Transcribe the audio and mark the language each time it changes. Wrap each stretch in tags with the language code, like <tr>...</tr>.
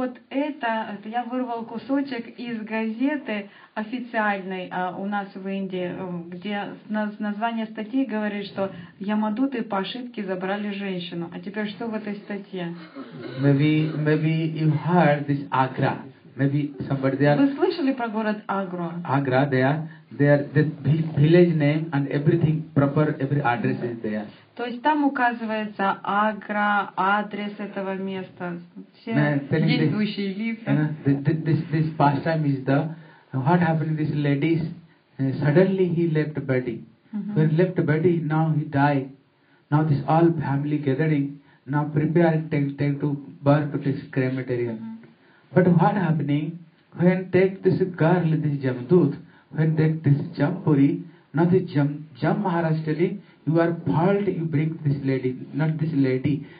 <ru>Это я вырвал кусочек из газеты официальной у нас в Индии, где название статьи говорит, что ямадуты по ошибке забрали женщину. А теперь что в этой статье?</ru> <en>Maybe you heard this Agra. Maybe somebody there.</en> <ru>Вы слышали про город Агра?</ru> <en>Агра, there the village name and everything proper, every address is there.</en> <ru>То есть там указывается Агра, адрес этого места, все действующие лица.</ru> <en>This past time is the what happened to this ladies? Suddenly he left body. Mm-hmm. When left body, now he died. Now this all family gathering, now prepare take to burn to this crematory. Mm-hmm. But what happening when take this girl, this Jamdut, when take this Jampuri, now this Jam Maharaj telling, you are fault, you bring this lady, not this lady.</en>